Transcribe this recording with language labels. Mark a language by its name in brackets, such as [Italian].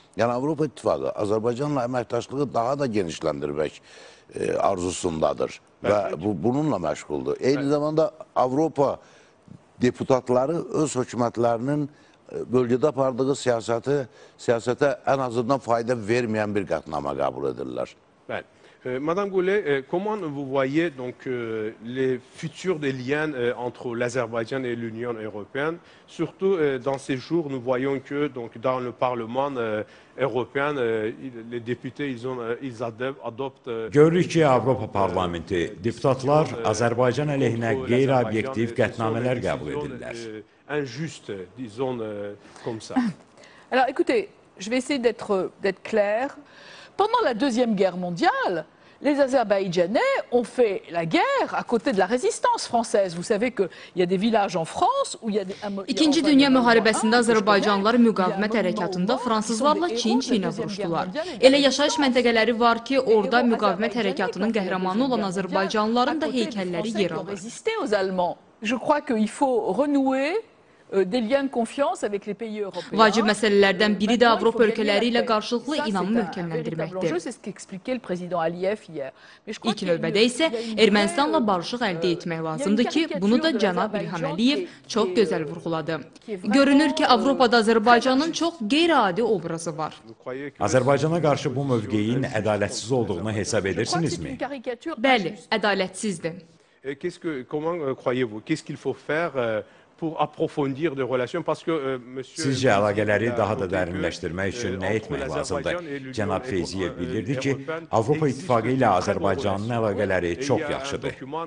[Azerbaijani] Yəni Avropa İttifaqı Azərbaycanla əməkdaşlığı daha da genişləndirmək arzusundadır və bununla məşğuldur. Eyni zamanda Avropa deputatları öz hökumətlərinin bölgədə apardığı siyasətə ən azından fayda verməyən bir qətnamə qəbul edirlər. Bəli. [French] Madame Goulet, comment vous voyez donc les futurs des liens entre l'Azerbaïdjan et l'Union européenne? Surtout dans ces jours, nous voyons que donc dans le Parlement européen, les députés ils adoptent. [Azerbaijani] Görürük ki, Avropa Parlamenti deputatlar Azərbaycan əleyhinə qeyri-obyektiv qətnamələr qəbul edirlər. [French] Injuste, disons comme ça. Alors, écoutez, je vais essayer d'être clair. Pendant la Deuxième Guerre mondiale, Les Azerbaïdjanais ont fait la guerre à côté de la résistance française. Vous savez que il y a des villages en France où il y a des [Azerbaijani] İkinci Dünya Müharibəsində Azərbaycanlılar müqavimət hərəkatında fransızlarla Çin-Çinə vuruşdular. Elə yaşayış məntəqələri var ki, orada müqavimət hərəkatının qəhrəmanı olan Azərbaycanlıların da heykəlləri yer alır. [French] Je crois qu'il faut renouer des liens de confiance avec les pays européens. [Azerbaijani] Vacib məsələlərdən biri də Avropa ölkələriylə qarşılıqlı inamı möhkəmləndirməkdir. İlk növbədə isə Ermənistanla barışıq əldə etmək lazımdır ki, bunu da cənab İlham Əliyev çox gözəl vurğuladı. Görünür ki, Avropada Azərbaycanın çox qeyri-adi obrazı var. Azərbaycana qarşı bu mövqeyin ədalətsiz olduğunu hesab edirsinizmi? Bəli, ədalətsizdir. [French] Comment croyez-vous? Qu'est-ce qu'il faut faire pour approfondir les relations? Parce que monsieur. [Azerbaijani] Sizce əlaqələri daha da dərinləşdirmək üçün nə etmək lazımdır? Cənab Feyziyev bildirdi ki, Avropa İttifaqı ilə Azərbaycanın əlaqələri çox yaxşıdır.